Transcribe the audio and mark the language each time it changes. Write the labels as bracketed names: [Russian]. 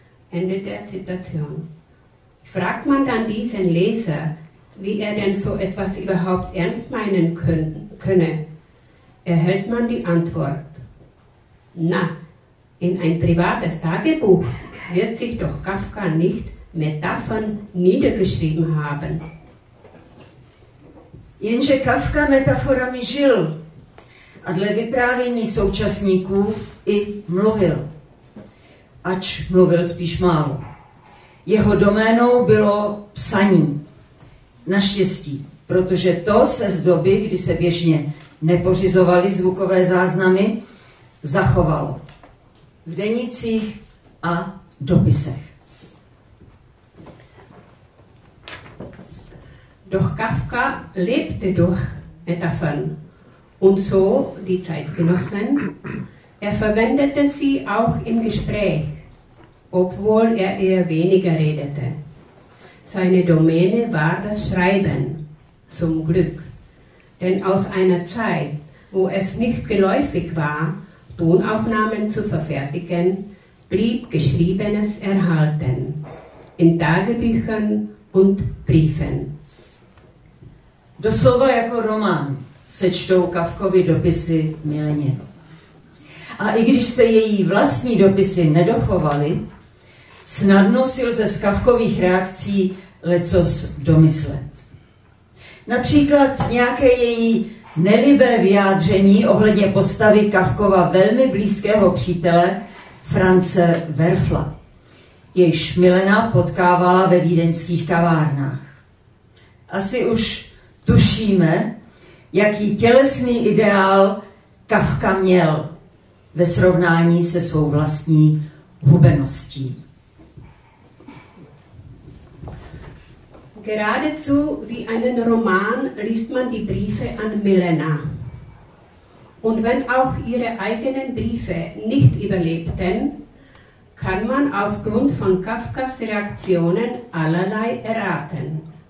[German] Ende der Zitation. Fragt man dann diesen Leser, wie er denn so etwas überhaupt ernst meinen könne, erhält man die Antwort: Na, in ein privates Tagebuch wird sich doch Kafka nicht Metaphern niedergeschrieben haben. [Czech] Jenže Kafka metaforami žil a dle vyprávění současníků i mluvil, ač mluvil spíš málo. Jeho doménou bylo psaní. Naštěstí, protože to se z doby, kdy se běžně nepořizovaly zvukové záznamy, zachovalo v denících a dopisech. [German] Doch Kafka lebte durch Metaphern und so die Zeitgenossen. Er verwendete sie auch im Gespräch, obwohl er eher weniger redete. Seine Domäne war das Schreiben, zum Glück. Denn aus einer Zeit, wo es nicht geläufig war, Tonaufnahmen zu verfertigen, blieb Geschriebenes erhalten, in Tagebüchern und Briefen. [Czech] Doslova jako román se čtou Kafkovy dopisy mylně. A i když se její vlastní dopisy nedochovaly, snadno si lze z Kafkových reakcí lecos domyslet. Například nějaké její nelibé vyjádření ohledně postavy Kafkova velmi blízkého přítele France Werfla, jejž Milena potkávala ve vídeňských kavárnách. Asi už tušíme, jaký tělesný ideál Kafka měl ve srovnání se svou vlastní hubeností. [German] Geradezu wie einen Roman liest man die Briefe an Milena. Und wenn auch ihre eigenen Briefe nicht überlebten, kann man aufgrund von Kafkas Reaktionen allerlei erraten.